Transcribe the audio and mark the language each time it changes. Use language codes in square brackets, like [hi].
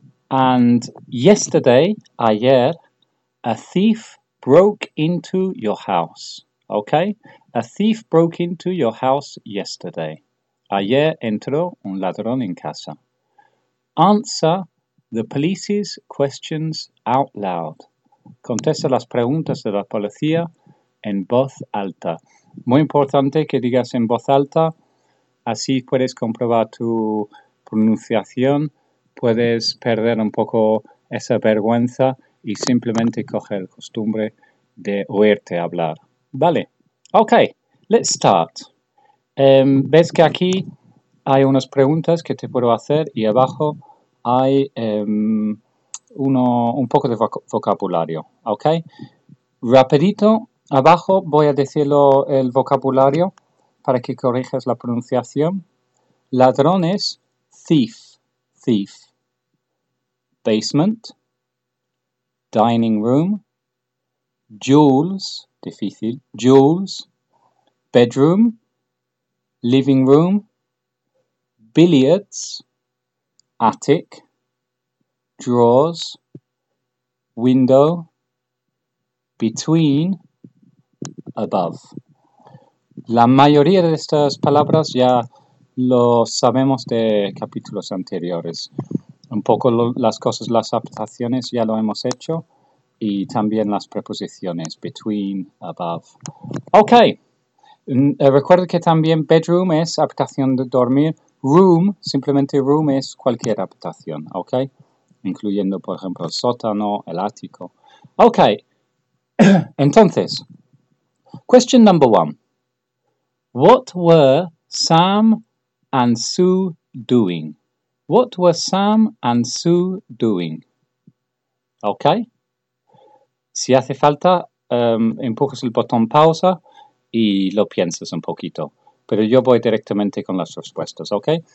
[en] And yesterday, ayer, a thief broke into your house, okay? A thief broke into your house yesterday. [es] Ayer entró un ladrón en casa. [en] Answer the police's questions out loud. [es] Contesta las preguntas de la policía en voz alta. Muy importante que digas en voz alta. Así puedes comprobar tu pronunciación. Puedes perder un poco esa vergüenza y simplemente coger la costumbre de oírte hablar. Vale. [en] Ok. Let's start. [es] ¿Ves que aquí hay unas preguntas que te puedo hacer y abajo hay un poco de vocabulario, ¿ok? Rapidito, abajo voy a decirlo el vocabulario para que corrijas la pronunciación. Ladrón es thief, thief. [en] Basement, dining room, jewels, difícil, jewels, bedroom, living room, billiards, attic, drawers, window, between, above. [es] La mayoría de estas palabras ya lo sabemos de capítulos anteriores. Un poco las cosas, las aplicaciones ya lo hemos hecho. Y también las preposiciones, between, above. Okay. Recuerda que también bedroom es habitación de dormir. Room, simplemente room es cualquier habitación, ¿ok? Incluyendo, por ejemplo, el sótano, el ático. [en] Ok, entonces, question number one. What were Sam and Sue doing? What were Sam and Sue doing? [es] Ok, si hace falta, empujas el botón pausa y lo piensas un poquito. Pero yo voy directamente con las respuestas, ¿ok?